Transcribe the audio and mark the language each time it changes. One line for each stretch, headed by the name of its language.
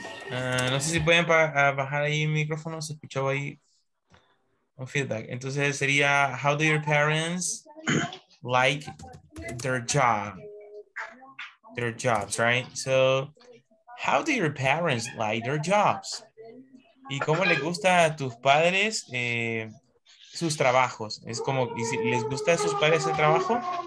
Spanish: No sé si pueden bajar ahí el micrófono, se escuchó ahí. Un feedback. Entonces sería,
English: how do your parents like their job? Their jobs, right? So, how do your parents like their jobs?
Spanish: ¿Y cómo les gusta a tus padres sus trabajos? Es como, ¿les gusta a sus padres el trabajo?